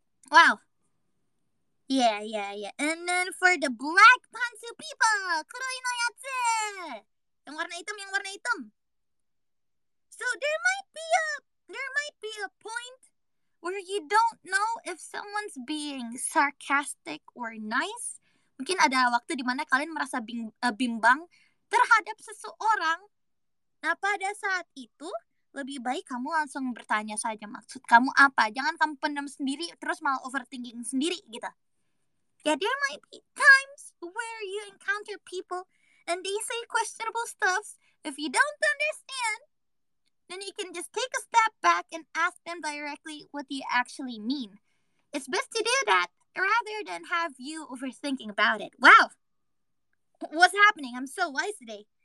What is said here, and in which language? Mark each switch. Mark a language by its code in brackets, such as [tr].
[en] Wow. Yeah. And then for the black pantsu people, [ja] kuroi no yatsu. [id] Yang warna hitam. [en] So there might be a point where you don't know if someone's being sarcastic or nice. [id] Mungkin ada waktu di mana kalian merasa bimbang terhadap seseorang. Nah, pada saat itu lebih baik kamu langsung bertanya saja maksud kamu apa. Jangan kamu pendam sendiri terus malah overthinking sendiri gitu. [en] Yeah, there might be times where you encounter people and they say questionable stuff. If you don't understand, then you can just take a step back and ask them directly what you actually mean. It's best to do that rather than have you overthinking about it. Wow! What's happening? I'm so wise today.